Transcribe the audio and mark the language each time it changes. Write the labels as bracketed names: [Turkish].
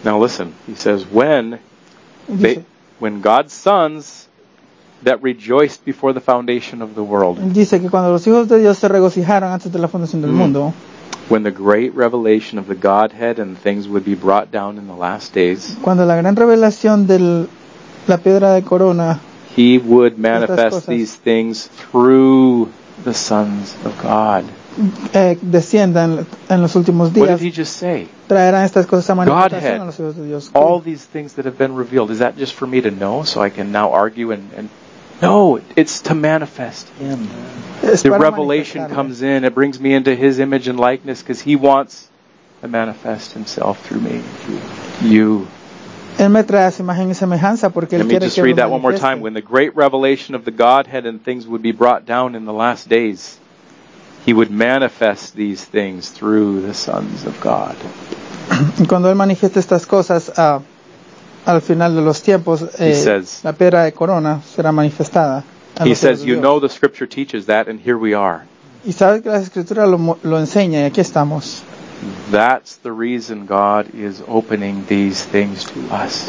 [English] Now listen, he says, when God's sons that rejoiced before the foundation of the world. [Spanish] Dice que cuando los hijos de Dios se regocijaron antes de la fundación del mundo. [English] When the great revelation of the Godhead and things would be brought down in the last days. [Spanish] Cuando la gran revelación de la piedra de corona. [English] He would manifest these things through the sons of God. [Spanish] descienda en los últimos días. [English] What did he just say? [Spanish] Traerán estas cosas a manifestación a los hijos de Dios. [English] All these things that have been revealed, is that just for me to know so I can now argue and No, it's to manifest Him. The revelation comes in. It brings me into His image and likeness because He wants to manifest Himself through me, you. [Spanish] Él me trae su imagen y semejanza porque Él quiere que lo manifieste. [English] Let me just read that one more time. When the great revelation of the Godhead and things would be brought down in the last days, He would manifest these things through the sons of God. [Spanish] Cuando Él manifiesta estas cosas a... Al final de los tiempos, [English] says, [Spanish] la piedra de corona será manifestada. [English] He says, you know the scripture teaches that, and here we are. [Spanish] Y sabes que la escritura lo enseña, y aquí estamos. [English] That's the reason God is opening these things to us.